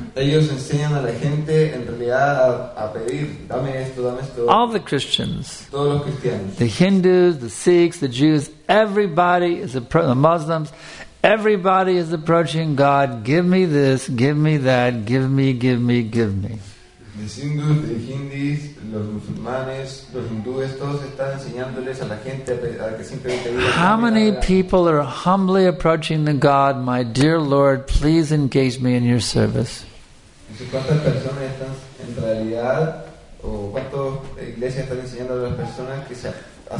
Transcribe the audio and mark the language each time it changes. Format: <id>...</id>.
<es>Ellos enseñan a la gente en realidad a pedir, dame esto, dame esto.</es> <en>All the Christians.</en> <es>Todos los cristianos.</es> <en>The Hindus, the Sikhs, the Jews, everybody is the Muslims, everybody is approaching God, give me this, give me that, give me, give me, give me.</en> <es>Los Hindus, los Hindis, los musulmanes, los hindúes, todos están enseñándoles a la gente a que simplemente vive.</es> <en>How many people are humbly approaching the God, my dear Lord, please engage me in your service?</en> <es>¿Cuántas personas están en realidad, o cuántas iglesias están enseñando a las personas que se acercan?</es>